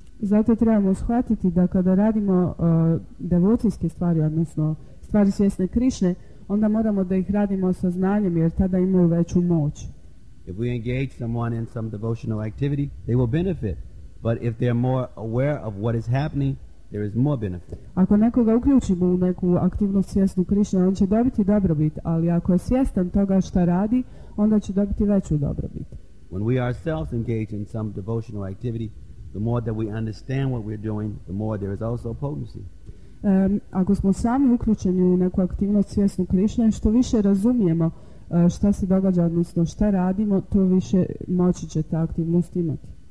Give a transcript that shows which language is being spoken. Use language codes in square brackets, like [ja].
[hr] Zato trebamo shvatiti da kada radimo devocijske stvari, odnosno stvari svjesne Krišne, onda moramo da ih radimo sa znanjem jer tada imaju veću moć. [en] If we engage someone in some devotional activity, they will benefit. But if they're more aware of what is happening, there is more benefit. [hr] Ako nekoga uključimo u neku aktivnost svjesnu Krišne, on će dobiti dobrobit, ali ako je svjestan toga šta radi, onda će dobiti veću dobrobit. [en] When we ourselves engage in some devotional activity, the more that we understand what we're doing, the more there is also potency. [hr] Ako smo sami uključeni u neku aktivnost svjesnu Krišne, što više razumijemo šta se događa, odnosno šta radimo, to više moći će ta aktivnost imati.